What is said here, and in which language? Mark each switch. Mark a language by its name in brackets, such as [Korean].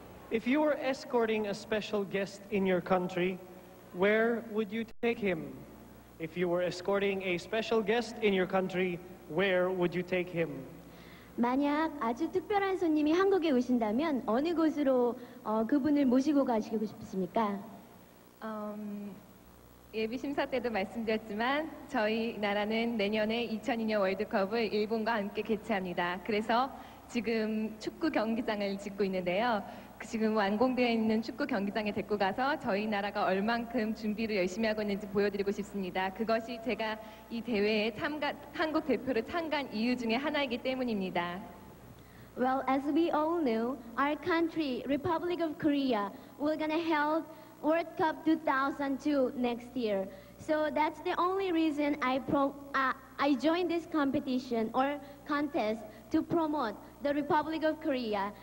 [English] If you were escorting a special guest in your country, where would you take him? If you were escorting a special guest in your country, where would you take him? [Korean] 만약 아주 특별한 손님이 한국에 오신다면 어느 곳으로 그분을 모시고 가시고 싶습니까? 예비 심사 때도 말씀드렸지만 저희 나라는 내년에 2002년 월드컵을 일본과 함께 개최합니다. 그래서 지금 축구 경기장을 짓고 있는데요. 지금 완공되어 있는 축구 경기장에 데리고 가서 저희 나라가 얼만큼 준비를 열심히 하고 있는지 보여드리고 싶습니다. 그것이 제가 이 대회에 한국 대표로 참가한 이유 중에 하나이기 때문입니다. [English] Well, as we all know, our country, Republic of Korea, we're gonna held World Cup 2002 next year. So that's the only reason I joined this competition or contest to promote the Republic of Korea.